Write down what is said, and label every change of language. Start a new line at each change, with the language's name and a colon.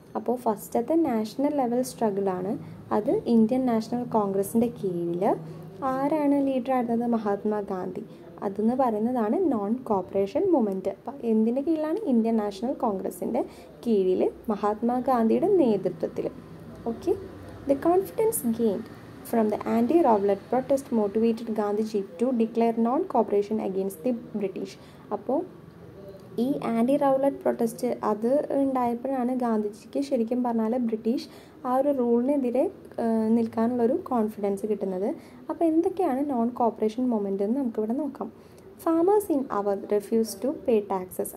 Malayalam: അപ്പോൾ ഫസ്റ്റത്തെ national level സ്ട്രഗിളാണ് അത്, ഇന്ത്യൻ നാഷണൽ കോൺഗ്രസിൻ്റെ കീഴിൽ. ആരാണ് ലീഡറായിരുന്നത്, മഹാത്മാഗാന്ധി. അതെന്ന് പറയുന്നതാണ് നോൺ കോപ്പറേഷൻ മൂവ്മെൻറ്റ്. അപ്പോൾ എന്തിൻ്റെ കീഴിലാണ്, ഇന്ത്യൻ നാഷണൽ കോൺഗ്രസിൻ്റെ കീഴിൽ മഹാത്മാഗാന്ധിയുടെ നേതൃത്വത്തിൽ. Okay,
English: The confidence gained from the anti-Rowlatt protest motivated Gandhiji to declare non-cooperation against the British.
Malayalam: അപ്പോൾ ഈ ആൻറ്റി റൗലറ്റ് പ്രൊട്ടസ്റ്റ് അത് ഉണ്ടായപ്പോഴാണ് ഗാന്ധിജിക്ക് ശരിക്കും പറഞ്ഞാൽ ബ്രിട്ടീഷ് ആ ഒരു റൂളിനെതിരെ നിൽക്കാനുള്ളൊരു കോൺഫിഡൻസ് കിട്ടുന്നത്. അപ്പോൾ എന്തൊക്കെയാണ് നോൺ കോപ്പറേഷൻ മൊമെൻ്റ് എന്ന് നമുക്കിവിടെ നോക്കാം.
English: Farmers in Awadh refuse to pay taxes.